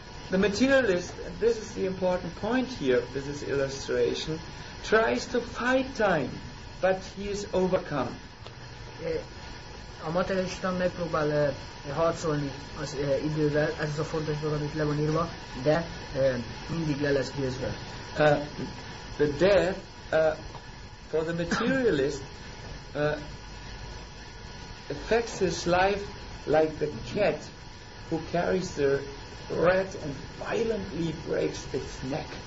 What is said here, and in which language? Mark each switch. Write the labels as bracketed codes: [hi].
[en] The materialist, and this is the important point here with this illustration, tries to fight time, but he is overcome. [hu] A materialista megpróbál harcolni az idővel, ez az a fontos dolog, amit le van írva, de mindig le lesz győzve. [en] The death, for the materialist, affects his life like the cat who carries the rat and violently breaks its neck.